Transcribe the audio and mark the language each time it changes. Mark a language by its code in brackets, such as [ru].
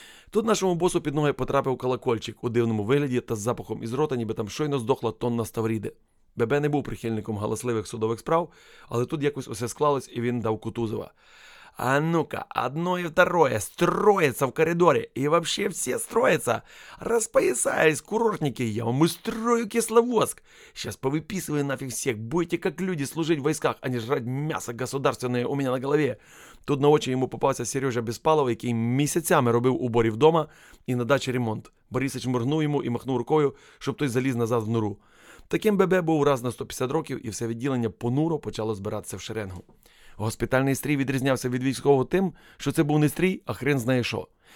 [uk] Тут нашому босу під ноги потрапив Колокольчик у дивному вигляді та з запахом із рота, ніби там щойно здохла тонна ставріди. ББ не був прихильником галасливих судових справ, але тут якось усе склалось, і він дав Кутузова. [ru] «А ну-ка, одно і второе, строїться в коридорі, і вообще все строїться! Розпоясаюсь, курортники, я вам устрою кисловодск! Сейчас повиписываю нафиг всех, будете как люди служить в войсках, а не жрать мясо государственное у меня на голове!» [uk] Тут на очі йому попався Сережа Безпалов, який місяцями робив у Борі вдома і на дачі ремонт. Борисич моргнув йому і махнув рукою, щоб той заліз назад в нору. Таким ББ був раз на 150 років, і все відділення понуро почало збиратися в шеренгу. Госпітальний стрій відрізнявся від військового тим, що це був не стрій, а хрен знає що.